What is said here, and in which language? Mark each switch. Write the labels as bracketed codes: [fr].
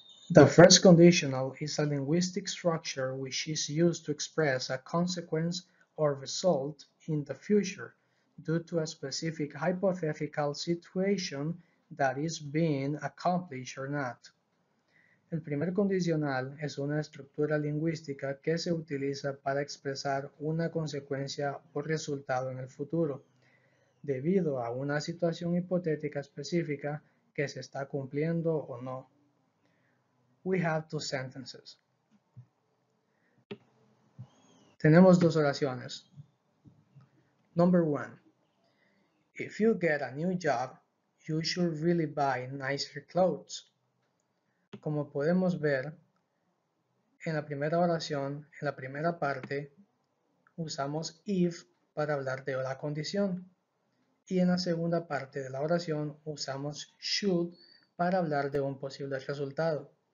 [en] The first conditional is a linguistic structure which is used to express a consequence or result in the future due to a specific hypothetical situation that is being accomplished or not. [es] El primer condicional es una estructura lingüística que se utiliza para expresar una consecuencia o resultado en el futuro, debido a una situación hipotética específica que se está cumpliendo o no. [en] We have two sentences. [es] Tenemos dos oraciones. [en] Number one. If you get a new job, you should really buy nicer clothes. [es] Como podemos ver, en la primera oración, en la primera parte, usamos if para hablar de la condición. Y en la segunda parte de la oración usamos should para hablar de un posible resultado.